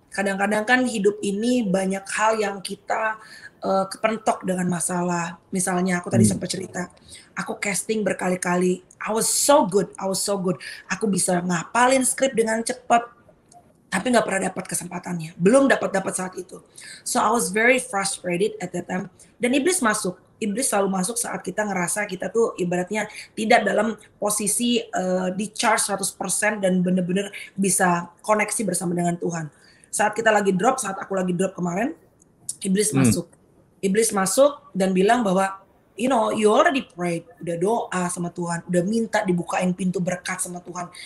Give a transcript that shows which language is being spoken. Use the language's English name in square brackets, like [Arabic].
[Indonesian] Kadang-kadang kan hidup ini banyak hal yang kita kepentok dengan masalah. Misalnya aku tadi sempat cerita, aku casting berkali-kali. [English] I was so good. [Indonesian] Aku bisa ngapalin skrip dengan cepat, tapi nggak pernah dapat kesempatannya. Belum dapat saat itu. [English] So I was very frustrated at that time. [Indonesian] Dan iblis masuk. Iblis selalu masuk saat kita ngerasa kita tuh ibaratnya tidak dalam posisi di charge 100% dan benar-benar bisa koneksi bersama dengan Tuhan. Saat kita lagi drop, saat aku lagi drop kemarin, iblis masuk. Iblis masuk dan bilang bahwa, [English] you know, you already prayed, [Indonesian] udah doa sama Tuhan, udah minta dibukain pintu berkat sama Tuhan.